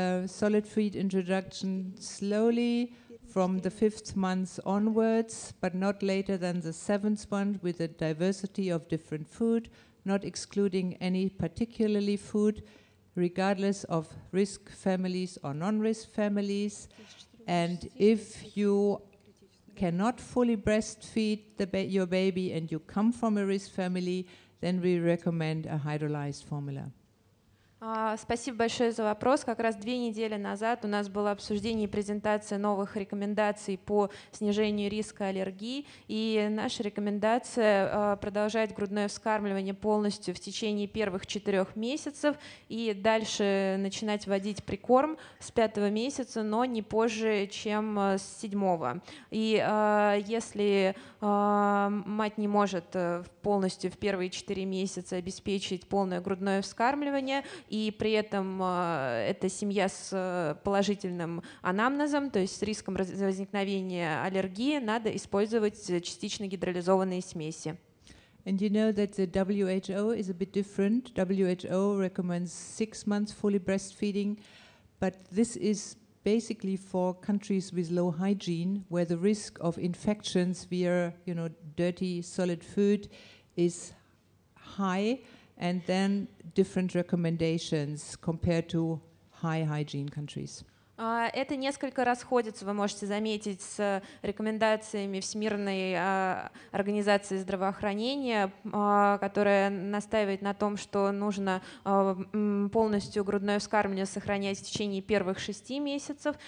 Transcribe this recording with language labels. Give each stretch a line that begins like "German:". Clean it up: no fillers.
English: solid feed introduction slowly from the 5th month onwards, but not later than the 7th month, with a diversity of different food, not excluding any particularly food, regardless of risk families or non-risk families. And if you cannot fully breastfeed your baby and you come from a risk family, then we recommend a hydrolyzed formula.
Russian: Спасибо большое за вопрос. Как раз 2 недели назад у нас было обсуждение и презентация новых рекомендаций по снижению риска аллергии. И наша рекомендация продолжать грудное вскармливание полностью в течение первых 4 месяцев и дальше начинать вводить прикорм с 5 месяца, но не позже, чем с 7-го. И если мать не может полностью в первые 4 месяца обеспечить полное грудное вскармливание, и при этом это семья с положительным анамнезом, то есть с риском возникновения аллергии, надо использовать частично гидролизованные смеси.
English: And you know that the WHO is a bit different. WHO recommends 6 months fully breastfeeding, but this is basically for countries with low hygiene, where the risk of infections via, you know, dirty solid food is high. And then different recommendations compared to high hygiene countries.
Russian: Это несколько расходится, вы можете заметить, с рекомендациями Всемирной организации здравоохранения, которая настаивает на том, что нужно полностью грудное вскармливание сохранять в течение первых 6 месяцев.